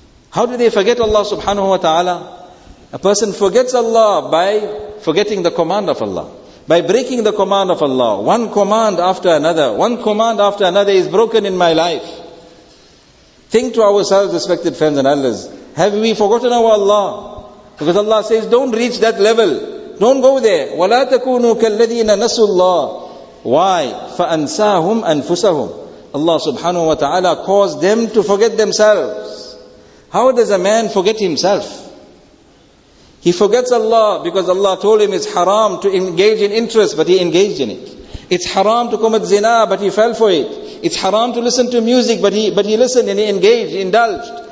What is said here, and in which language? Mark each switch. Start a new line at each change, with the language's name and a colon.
English: How do they forget Allah subhanahu wa ta'ala? A person forgets Allah by forgetting the command of Allah. By breaking the command of Allah. One command after another. One command after another is broken in my life. Think to ourselves, respected friends and elders. Have we forgotten our Allah? Because Allah says, don't reach that level. Don't go there.
Arabic: وَلَا تَكُونُوا كَالَّذِينَ نَسُوا اللَّهِ
English: Why?
Arabic: فَأَنْسَاهُمْ أَنْفُسَهُمْ
English: Allah subhanahu wa ta'ala caused them to forget themselves. How does a man forget himself? He forgets Allah because Allah told him it's haram to engage in interest, but he engaged in it. It's haram to commit zina, but he fell for it. It's haram to listen to music, but he listened and he engaged, indulged.